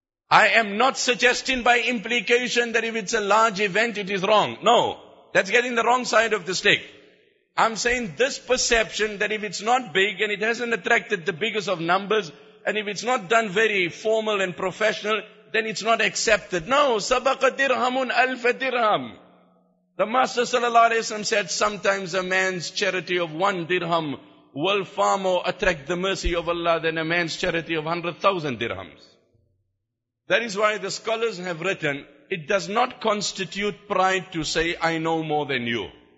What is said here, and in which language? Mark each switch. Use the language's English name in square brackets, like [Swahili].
[English] I am not suggesting by implication that if it's a large event, it is wrong. No, that's getting the wrong side of the stick. I'm saying this perception that if it's not big and it hasn't attracted the biggest of numbers, and if it's not done very formal and professional, then it's not accepted. No, [Arabic] سَبَقَ دِرْهَمٌ أَلْفَ دِرْهَمٌ. [English] The Master sallallahu alayhi wa sallam said, sometimes a man's charity of one dirham will far more attract the mercy of Allah than a man's charity of 100,000 dirhams. That is why the scholars have written, it does not constitute pride to say, I know more than you.